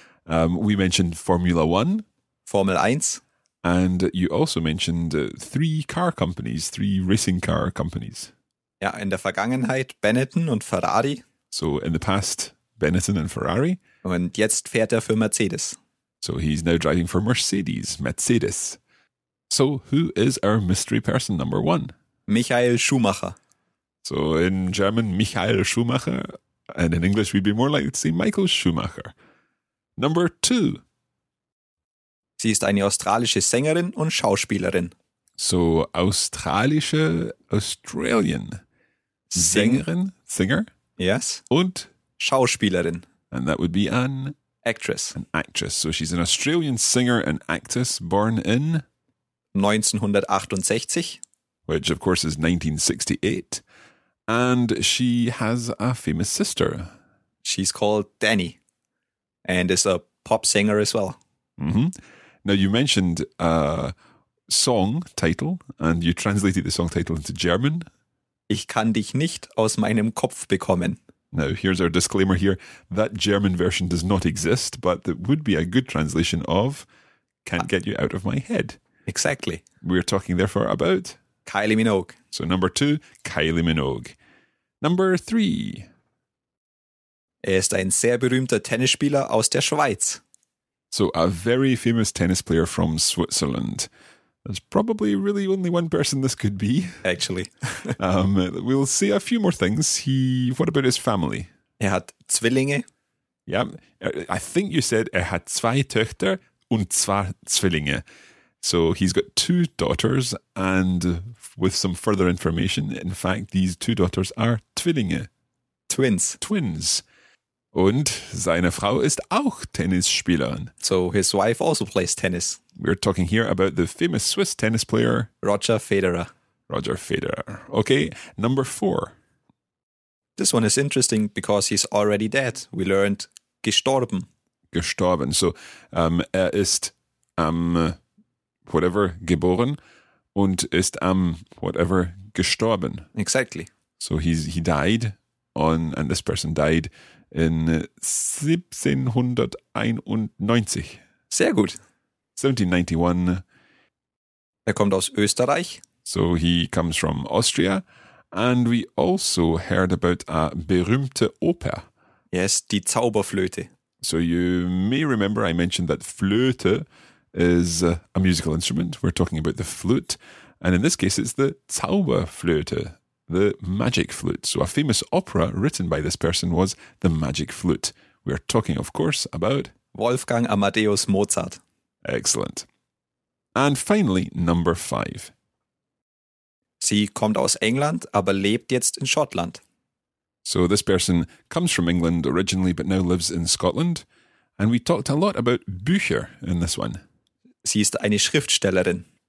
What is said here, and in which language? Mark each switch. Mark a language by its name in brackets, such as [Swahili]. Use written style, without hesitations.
[English] We mentioned Formula One. [German] Formel 1. [English] And you also mentioned 3 car companies, 3 racing car companies. [German] Ja, in der Vergangenheit Benetton und Ferrari. [English] So in the past, Benetton and Ferrari. [German] Und jetzt fährt er für Mercedes. [English] So he's now driving for Mercedes. So who is our mystery person number 1? Michael Schumacher. So in German, Michael Schumacher. And in English, we'd be more likely to say Michael Schumacher. Number 2. [German] Sie ist eine australische Sängerin und Schauspielerin. [English] So, australische, Australian. Sängerin, singer. Yes. [German] Und? Schauspielerin. [English] And that would be an? Actress. An actress. So she's an Australian singer and actress born in? 1968. Which of course is 1968. And she has a famous sister. She's called Dani. And is a pop singer as well. Mm-hmm. Now, you mentioned a song title, and you translated the song title into German. [German] Ich kann dich nicht aus meinem Kopf bekommen. [English] Now, here's our disclaimer here. That German version does not exist, but that would be a good translation of Can't Get You Out of My Head. Exactly. We're talking, therefore, about? Kylie Minogue. So, number 2, Kylie Minogue. Number 3. [German] Er ist ein sehr berühmter Tennisspieler aus der Schweiz. [English] So, a very famous tennis player from Switzerland. There's probably really only one person this could be. Actually. we'll say a few more things. What about his family? [German] Er hat Zwillinge. [English] Yeah, I think you said [German] er hat 2 Töchter und 2 Zwillinge. [English] So, he's got 2 daughters and with some further information, in fact, these 2 daughters are Zwillinge. Twins. [German] Und seine Frau ist auch Tennisspielerin. [English] So his wife also plays tennis. We're talking here about the famous Swiss tennis player. Roger Federer. Okay, number 4. This one is interesting because he's already dead. We learned gestorben. [German] Gestorben. So er ist am whatever geboren und ist am whatever gestorben. [English] Exactly. So he died on and this person died in 1791. [German] Sehr gut. 1791. Er kommt aus Österreich. [English] So he comes from Austria. And we also heard about a [German] berühmte Oper. [English] Yes, [German] die Zauberflöte. [English] So you may remember I mentioned that Flöte is a musical instrument. We're talking about the flute. And in this case, it's the Zauberflöte. The Magic Flute. So a famous opera written by this person was The Magic Flute. We are talking, of course, about Wolfgang Amadeus Mozart. Excellent. And finally, number 5. [German] Sie kommt aus England, aber lebt jetzt in Schottland. [English] So this person comes from England originally, but now lives in Scotland. And we talked a lot about Bücher in this one. [German] Sie ist eine Schriftstellerin.